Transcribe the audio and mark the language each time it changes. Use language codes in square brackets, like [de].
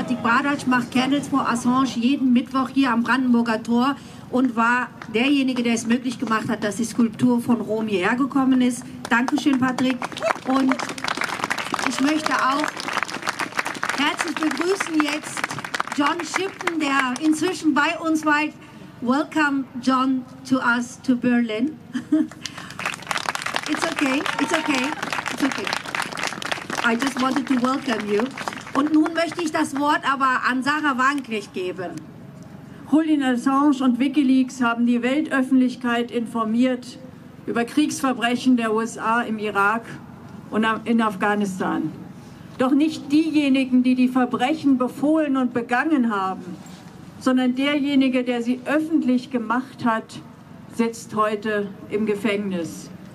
[de] Patrick Bradash macht Candles for Assange jeden Mittwoch hier am Brandenburger Tor und war derjenige, der es möglich gemacht hat, dass die Skulptur von Rom hierher gekommen ist. Dankeschön, Patrick. Und ich möchte auch herzlich begrüßen jetzt John Shipton, der inzwischen bei uns weilt. [en] Welcome, John, to us, to Berlin. It's okay, it's okay, it's okay. I just wanted to welcome you. [de] Und nun möchte ich das Wort aber an Sarah Wagenknecht geben. Julian Assange und WikiLeaks haben die Weltöffentlichkeit informiert über Kriegsverbrechen der USA im Irak und in Afghanistan. Doch nicht diejenigen, die die Verbrechen befohlen und begangen haben, sondern derjenige, der sie öffentlich gemacht hat, sitzt heute im Gefängnis.